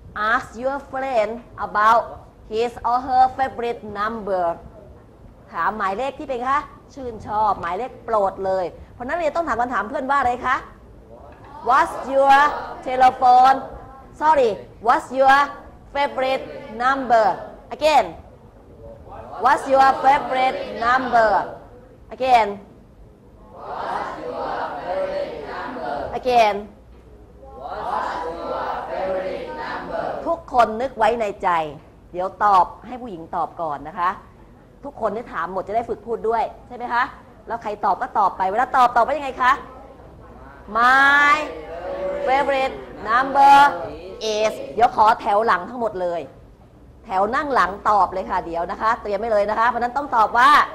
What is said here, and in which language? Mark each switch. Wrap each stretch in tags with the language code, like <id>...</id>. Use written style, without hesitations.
<en>ask your friend about his or her favorite number</en> <th>ถามหมายเลขที่เป็นคะชื่นชอบหมายเลขโปรดเลยเพราะนั้นเรียนต้องถามคำถามเพื่อนว่าอะไรคะ</th> <en>What's your telephone Sorry What's your favorite number Again What's your favorite number Again What's your favorite number Again What's your favorite number</en> <th>ทุกคนนึกไว้ในใจเดี๋ยวตอบให้ผู้หญิงตอบก่อนนะคะทุกคนที่ถามหมดจะได้ฝึกพูดด้วยใช่ไหมคะแล้วใครตอบก็ตอบไปเวลาตอบว่ายังไงคะ</th> <en>My favorite number is</en> <th>เดี๋ยวขอแถวหลังทั้งหมดเลยแถวนั่งหลังตอบเลยค่ะเดี๋ยวนะคะเตรียมไว้เลยนะคะเพราะนั้นต้องตอบว่า</th>